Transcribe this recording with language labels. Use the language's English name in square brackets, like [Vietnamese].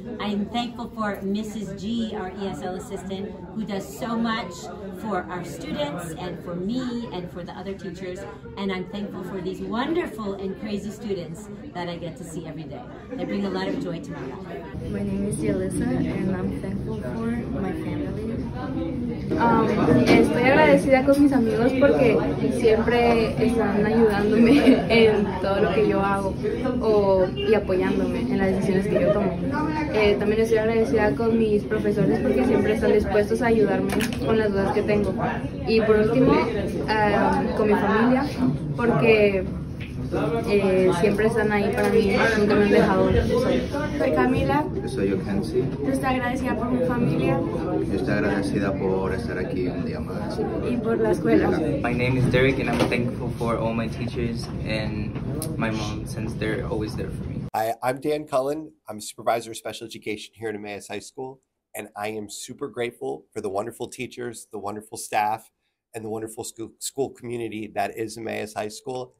[English] I am thankful for Mrs. G, our ESL assistant, who does so much for our students and for me and for the other teachers. And I'm thankful for these wonderful and crazy students that I get to see every day. They bring a lot of joy to my life. My name is Yalisa, and I'm thankful for my family. [Spanish] Estoy agradecida con mis amigos porque siempre están ayudándome en todo lo que yo hago. Y apoyándome en las decisiones que yo tomo. También estoy agradecida con mis profesores porque siempre están dispuestos a ayudarme con las dudas que tengo. Y por último, con mi familia, porque siempre están ahí para mí, nunca me han dejado. Soy Camila. Soy Yohensi. Estoy agradecida por mi familia. Estoy agradecida por estar aquí un día más. Y por la escuela. [English] My name is Derek, and I'm thankful for all my teachers and my mom, since they're always there for me. Hi, I'm Dan Cullen. I'm a supervisor of special education here at Emmaus High School, and I am super grateful for the wonderful teachers, the wonderful staff, and the wonderful school community that is Emmaus High School.